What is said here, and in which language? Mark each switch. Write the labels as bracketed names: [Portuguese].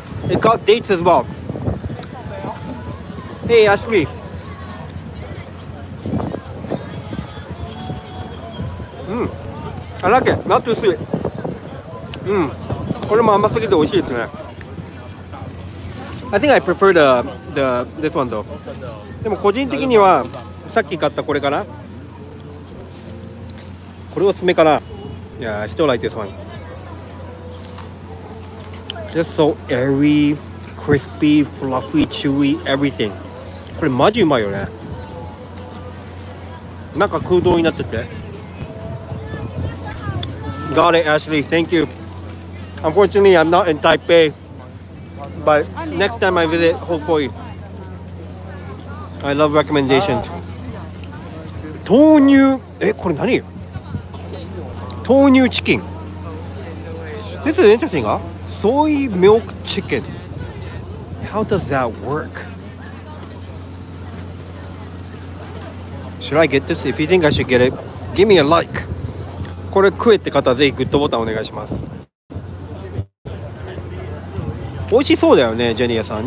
[English] It got dates as well. Hey, Ashley. Mm. I like it. Not too sweet. Mm. [Japanese] これも甘すぎて美味しいですね。 [English] I think I prefer the this one though. [Japanese] でも個人的にはさっき買ったこれかな。これおすすめかな。 [English] Yeah, I still like this one. Just so airy, crispy, fluffy, chewy, everything. [Japanese] これマジうまいよね。なんか空洞になってて。 [English] Got it, Ashley. Thank you. Unfortunately, I'm not in Taipei. But next time I visit, hopefully. I love recommendations. [Japanese] 豆乳、え、これ何？豆乳チキン。 [English] This is interesting, huh? Soy milk chicken. How does that work? Should I get this? If you think I should get it, give me a like. [Japanese] これ食えって方はぜひグッドボタンお願いします。美味しそうだよね、ジェニアさん。